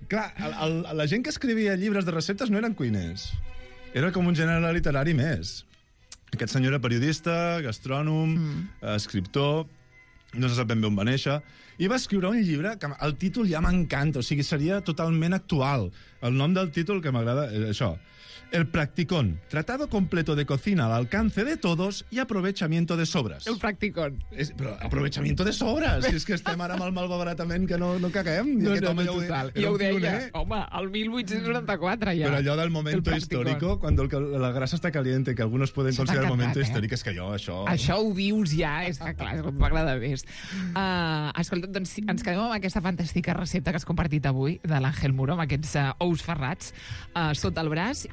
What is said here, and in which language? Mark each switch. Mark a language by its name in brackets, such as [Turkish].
[Catalan] Clar, la gent que escrivia llibres de receptes no eren cuiners. Era com un gènere literari més. Aquest senyor era periodista, gastrònom, escriptor, no se sap ben bé on va néixer, i va escriure un llibre que el títol ja m'encanta, o sigui, seria totalment actual. El nom del títol que m'agrada és això. [Spanish] El practicón, tratado completo de cocina al alcance de todos y aprovechamiento de sobras. El practicón. Però aprovechamiento de sobras. [Catalan] Si és que estem ara amb el malbaratament que no caguem. No, aquest home, total. Jo ho deia, home, el 1894 ja. Però allò del momento histórico, quan la grasa està caliente, que alguns poden considerar [Spanish] el momento histórico, [Catalan] és que jo, això... Això ho vius ja, és clar, és el que m'agrada més. Escolta, doncs ens quedem amb aquesta fantàstica recepta que has compartit avui de l'Àngel Muro, amb aquests ous ferrats sota el braç.